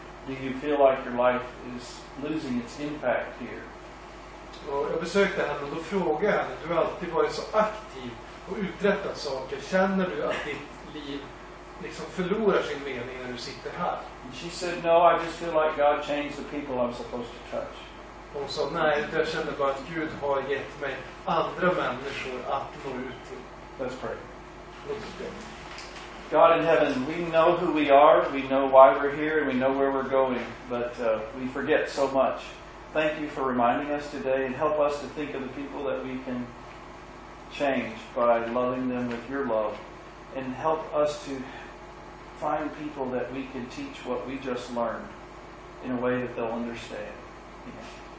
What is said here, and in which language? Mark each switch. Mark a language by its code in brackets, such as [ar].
[en] Do you feel like your life is losing its impact here? [sv] Och jag besökte henne, och då frågade henne, du har alltid varit så aktiv och uträttat saker. Känner du att ditt liv liksom förlorar sin mening när du sitter här? [en] And she said, no, I just feel like God changed the people I'm supposed to touch. [sv] Hon sa, nej, jag känner bara att Gud har gett mig andra människor att nå ut till. [en] Let's pray. God in heaven, we know who we are, we know why we're here, and we know where we're going, but we forget so much. Thank you for reminding us today, and help us to think of the people that we can change by loving them with your love, and help us to find people that we can teach what we just learned in a way that they'll understand. Amen.